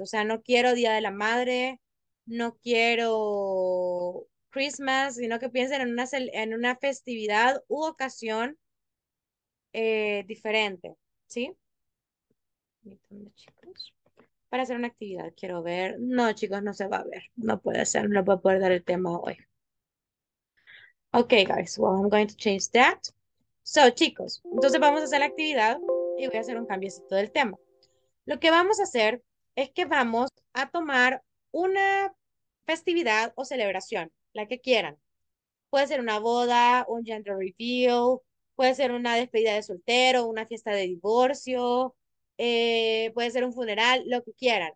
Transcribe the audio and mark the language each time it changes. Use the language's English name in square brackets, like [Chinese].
[Spanish] O sea, no quiero Día de la Madre, no quiero Christmas, sino que piensen en una festividad u ocasión diferente, ¿sí? Permítanme, chicos. Para hacer una actividad, quiero ver. No, chicos, no se va a ver. No puede ser, no voy a poder dar el tema hoy. [English] Ok, guys, well, I'm going to change that. [Spanish] So, chicos, entonces vamos a hacer la actividad y voy a hacer un cambiecito del tema. Lo que vamos a hacer es que vamos a tomar una festividad o celebración. La que quieran. Puede ser una boda, un gender reveal, puede ser una despedida de soltero, una fiesta de divorcio, puede ser un funeral, lo que quieran.